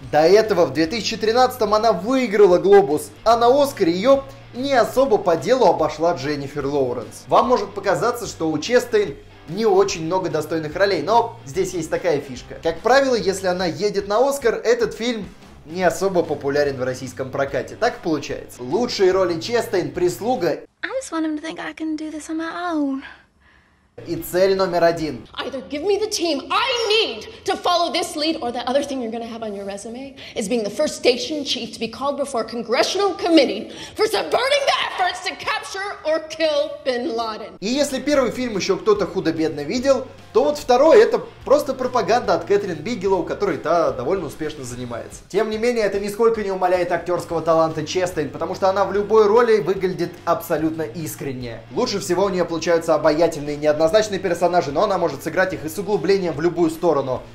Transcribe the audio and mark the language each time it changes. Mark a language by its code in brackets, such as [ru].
[ru] До этого, в 2013-м, она выиграла «Глобус», а на «Оскаре» ее не особо по делу обошла Дженнифер Лоуренс. Вам может показаться, что у Честейн не очень много достойных ролей, но здесь есть такая фишка. Как правило, если она едет на Оскар, этот фильм не особо популярен в российском прокате. Так получается. Лучшие роли Честейн, прислуга. [en] I just want him to think I can do this on my own. [ru] И цель номер один. [en] Either give me the team I need to follow this lead, or the other thing you're gonna have on your resume is being the first station chief to be called before a congressional committee for subverting the efforts to capture or kill Bin Laden. [ru] И если первый фильм еще кто-то худо-бедно видел, то вот второй это просто пропаганда от Кэтрин Бигелоу, которой та довольно успешно занимается. Тем не менее, это нисколько не умаляет актерского таланта Честейн, потому что она в любой роли выглядит абсолютно искренне. Лучше всего у нее получаются обаятельные неоднозначные персонажи, но она может сыграть их и с углублением в любую сторону.